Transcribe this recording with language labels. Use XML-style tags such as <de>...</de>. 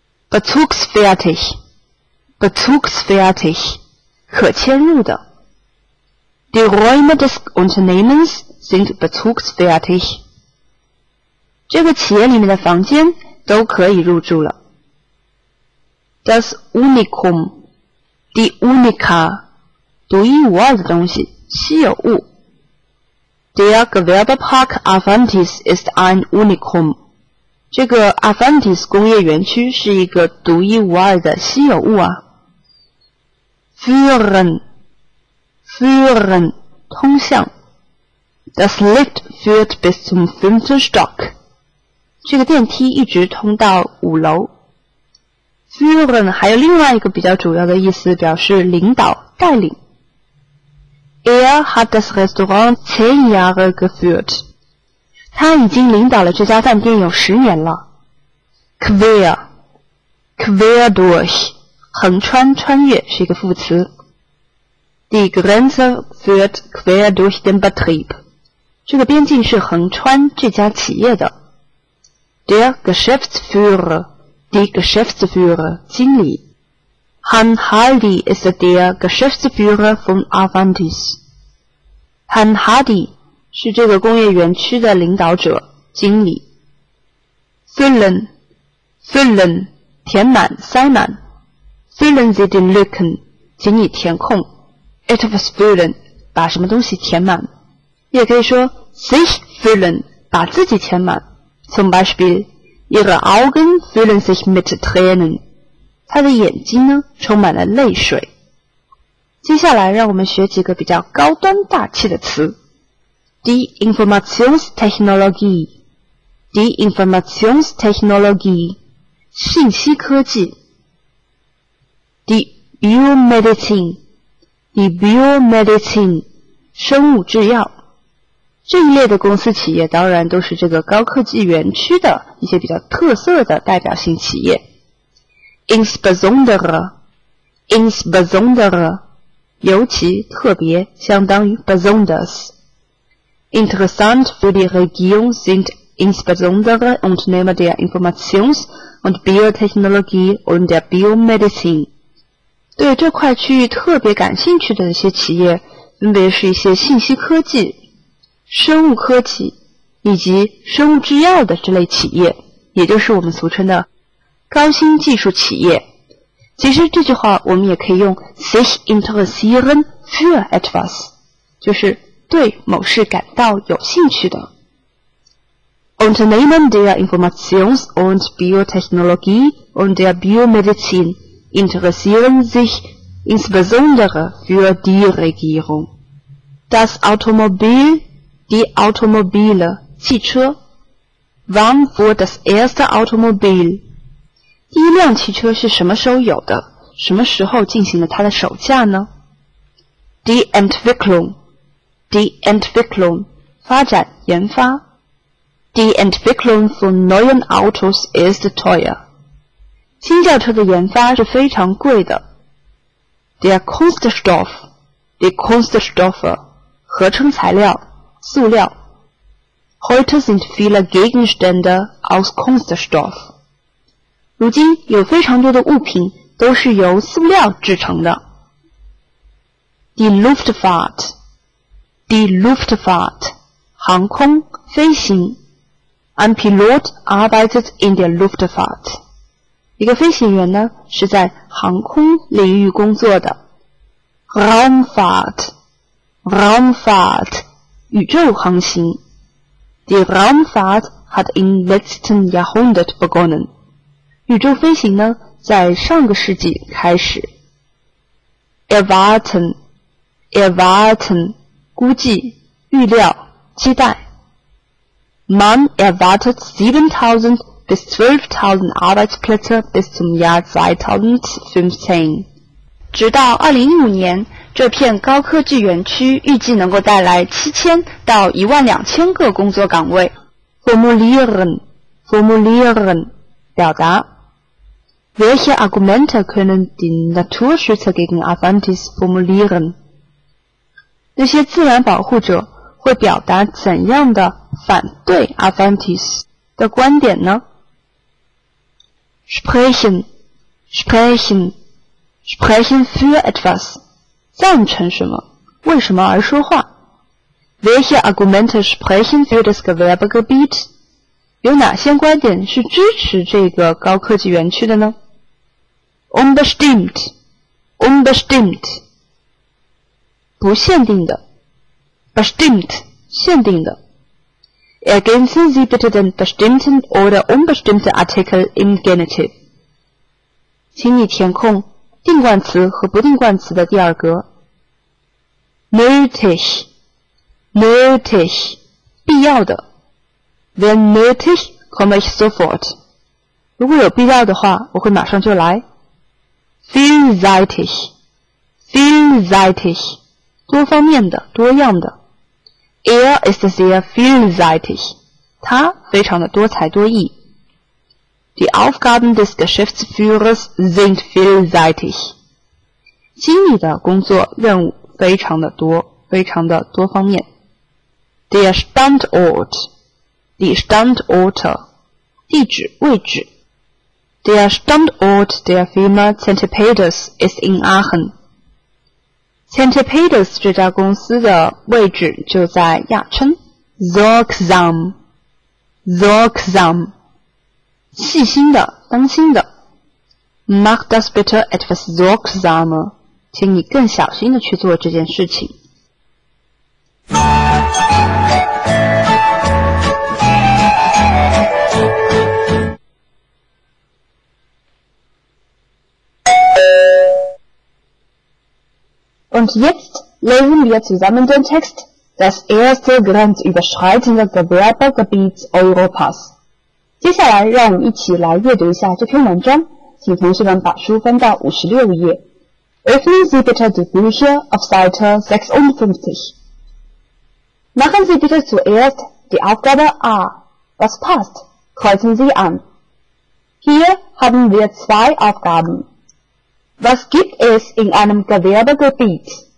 <de>Bezugsfertig， Bezugsfertig，</de> <zh>可迁入的。</zh> <de>Die Räume des Unternehmenssind bezugsfertig，</de> <zh>这个企业里面的房间都可以入住了。</zh> <de>Das Unikum， die Unika，</de> <zh>独一无二的东西，稀有物。</zh> <de>Der Gewerbepark Avantis ist ein Unikum，</de> <zh>这个 Avantis 工业园区是一个独一无二的稀有物啊。</zh> <de>Führen， Führen，</de> <zh>通向。</zh> <de>Das Lift führt bis zum fünften Stock，</de> <zh>这个电梯一直通到五楼。 Führen 还有另外一个比较主要的意思，表示领导带领。</zh> <de>Er hat das Restaurant 10 Jahre geführt，</de> <zh>他已经领导了这家饭店有十年了。</zh> <de>Quer， quer durch，</de> <zh>横穿穿越是一个副词。</zh> <de>Die Grenze führt quer durch den Betrieb，</de> <zh>这个边境是横穿这家企业的。</zh> <de>Der Geschäftsführer， die Geschäftsführer，</de> <zh>经理。</zh> <de>Han Hardy ist der Geschäftsführer von Avantis。</de> <zh>Han Hardy 是这个工业园区的领导者经理。</zh> <de>Füllen， Füllen，</de> <zh>填满塞满。</zh> <de>Füllen Sie den Lücken，</de> <zh>请你填空。</zh> <de>Etwas füllen，</de> <zh>把什么东西填满。也可以说</zh> <de>sich füllen，</de> <zh>把自己填满。</zh> <de>Zum Beispiel， ihre Augen füllen sich mit Tränen，</de> <zh>她的眼睛呢充满了泪水。接下来让我们学几个比较高端大气的词。</zh> <de>Die Informationstechnologie， Die Informationstechnologie，</de> <zh>信息科技。</zh> <de>Die Biomedizin， Die Biomedizin，</de> <zh>生物制药。这一类的公司企业当然都是这个高科技园区的一些比较特色的代表性企业。</zh> <de>Insbesondere， Insbesondere，</de> <zh>尤其特别，相当于</zh> <de>besonders。 Interessant für die Region sind insbesondere Unternehmen der Informations- und Biotechnologie und der Biomedizin。</de> <zh>对这块区域特别感兴趣的一些企业分别是一些信息科技、生物科技以及生物制药的这类企业，也就是我们俗称的高新技术企业。其实这句话我们也可以用</zh> <de>sich interessieren für etwas，</de> <zh>就是对某事感到有兴趣的。</zh> <de>Unternehmen der Informations- und Biotechnologie und der Biomedizin interessieren sich insbesondere für die Regierung。 Das AutomobilDie Automobile，</de> <zh>汽车。</zh> <de>Wann wurde das erste Automobil？</de> <zh>第一辆汽车是什么时候有的？什么时候进行了它的首驾呢？</zh> <de>Die Entwicklung， Die Entwicklung，</de> <zh>发展研发。</zh> <de>Die Entwicklung von neuen Autos ist teuer.</de> <zh>新轿车的研发是非常贵的。</zh> <de>Der Kunststoff, die Kunststoffe,</de> <zh>合成材料，塑料。</zh> <de>Heute sind viele Gegenstände aus Kunststoff.</de> <zh>如今有非常多的物品都是由塑料制成的。</zh> <de>Die Luftfahrt,</de> <zh>航空，飞行。</zh> <de>Ein Pilot arbeitet in der Luftfahrt.</de> <zh>一个飞行员呢，是在航空领域工作的。</zh> <de>Raumfahrt,</de> <zh>宇宙航行。</zh> <de>Die Raumfahrt hat im letzten Jahrhundert begonnen.</de> <zh>宇宙飞行呢，在上个世纪开始。</zh> <de>Erwarten,</de> <zh>估计，预料，期待。</zh> <de>Man erwartet 7000 bis 12000 Arbeitsplätze bis zum Jahr 2015.</de> <zh>直到2015年，这片高科技园区预计能够带来7000到12000个工作岗位。</zh> <de>Formulieren,</de> <zh>表达。</zh> <de>Welche Argumente können die Naturschützer gegen Avantis formulieren?</de> <zh>那些自然保护者会表达怎样的反对 Avantis 的观点呢？</zh> <de>Sprechen für etwas,</de> <zh>赞成什么，为什么而说话。</zh> <de>Welche Argumente sprechen für das Gewerbegebiet?</de> <zh>有哪些观点是支持这个高科技园区的呢？</zh> <de>Unbestimmt,</de> <zh>不限定的。</zh> <de>Bestimmt,</de> <zh>限定的。</zh> <de>Ergänzen Sie bitte den bestimmten oder unbestimmten Artikel im Genitiv.</de> <zh>请你填空定冠词和不定冠词的第二格。</zh> <de>Nötig,</de> <zh>必要的。</zh> <de>Wenn nötig, komme ich sofort.</de> <zh>如果有必要的话，我会马上就来。</zh> <de>Vielseitig,</de> <zh>多方面的，多样的。</zh> <de>ist sehr vielseitig,</de> <zh>他非常的多才多艺。</zh> <de>Die Aufgaben des Geschäftsführers sind vielseitig.</de> <zh>经理的工作任务非常的多，非常的多方面。</zh> <de>Die Standorte,</de> <zh>地址，位置。</zh> <de>Der Standort der Firma Centipedes ist in Aachen.</de> <zh>Centipedes 这家公司的位置就在亚琛。</zh> <de>Sorgsam,</de> <zh>细心的，当心的。</zh> <de>Mach das bitte etwas sorgsamer,</de> <zh>请你更小心的去做这件事情。</zh> <de>Und jetzt lesen wir zusammen den Text, das erste grenzüberschreitende Gewerbegebiet Europas.</de> <zh>接下来让我们一起来阅读一下这篇文章，请同学们把书翻到56页。</zh> <de>Öffnen Sie bitte die Bücher auf Seite 56. Machen Sie bitte zuerst die Aufgabe A. Was passt? Kreuzen Sie an. Hier haben wir zwei Aufgaben. Was gibt es in einem Gewerbegebiet?</de>